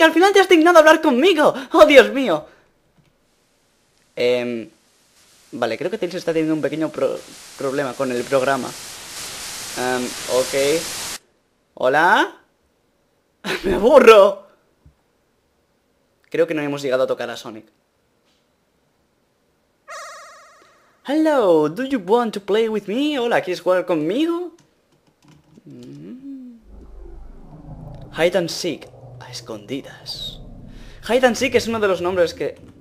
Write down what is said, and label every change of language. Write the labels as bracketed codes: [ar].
[es] ¡Al final te has dignado a hablar conmigo! ¡Oh, Dios mío! Vale, creo que Tails está teniendo un pequeño problema con el programa. Ok. ¿Hola? ¡Me aburro! Creo que no hemos llegado a tocar a Sonic. [en] Hello, do you want to play with me? [es] Hola, ¿quieres jugar conmigo? Hide and Seek, a escondidas. Hide and Seek es uno de los nombres que...